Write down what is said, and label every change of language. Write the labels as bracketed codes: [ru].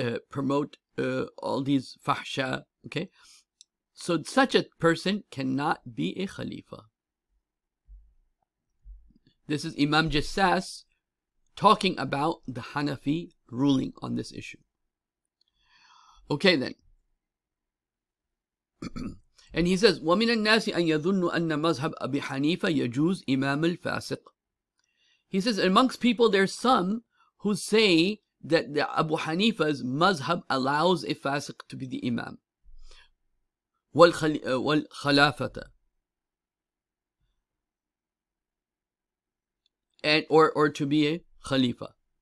[en] Promote all these fahsha, okay? So such a person cannot be a khalifa. This is Imam Jassas talking about the Hanafi ruling on this issue. Okay then. And he says, [ar] وَمِنَ النَّاسِ أَن يَظُنُّ أَنَّ مَذْهَبَ أَبِي حَنِيفَةَ يَجُوز إِمَامُ الْفَاسِقِ. [en] He says, amongst people there's some who say that the Abu Hanifa's mazhab allows a fasiq to be the imam. [ar] وَالْخَلَافَةَ. [en] And, or to be a khalifa.